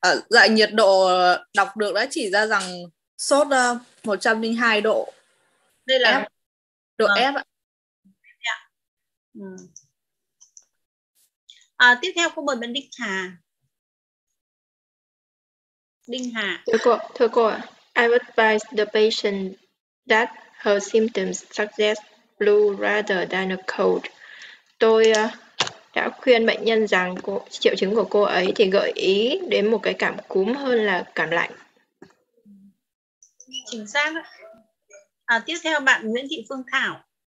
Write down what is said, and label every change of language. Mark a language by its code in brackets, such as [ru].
[vi] Dạ, nhiệt độ đọc được đã chỉ ra rằng sốt 102 độ. Đây là F. Độ F ạ. Dạ. Tiếp theo cô mời bạn Đinh Hà. Đinh Hà. Thưa cô, [en] I advise the patient that her symptoms suggest flu rather than a cold. [vi] Tôi đã khuyên bệnh nhân rằng triệu chứng của cô ấy thì gợi ý đến một cái cảm cúm hơn là cảm lạnh. Chính xác. Tiếp theo bạn Nguyễn Thị Phương Thảo.